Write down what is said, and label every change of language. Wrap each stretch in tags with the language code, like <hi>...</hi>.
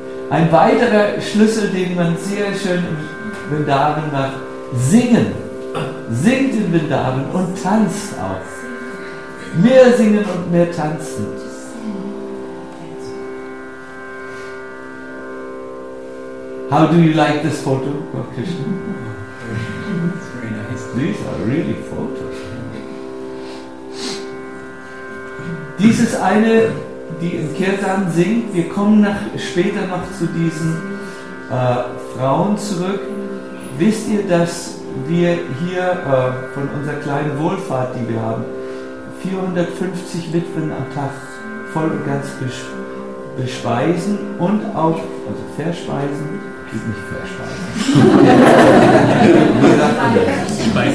<de>Ein weiterer Schlüssel, den man sehr schön im Vrindavan macht, singen. Singt im Vrindavan und tanzt auch. Mehr singen und mehr tanzen.</de> <en>How do you like this photo, Gott Krishna? These are really photos.</en> <de>Dies ist eine, die im Kirtan singt. Wir kommen später noch zu diesen Frauen zurück. Wisst ihr, dass wir hier von unserer kleinen Wohlfahrt, die wir haben, 450 Witwen am Tag voll und ganz bespeisen und auch, also verspeisen, geht nicht verspeisen.</de>